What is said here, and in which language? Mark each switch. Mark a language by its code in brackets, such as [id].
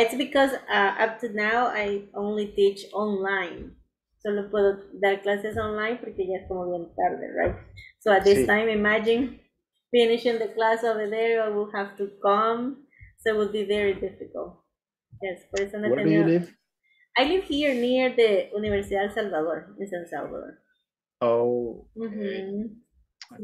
[en] it's because up to now I only teach online. [es] Solo puedo dar clases online porque ya es como bien tarde, right? [en] So at this time, imagine finishing the class over there, I will have to come. So it would be very difficult. Yes, [es] por eso [en] no. Where do you live? I live here near the Universidad Salvador, in San Salvador. Oh. Okay. Mm-hmm.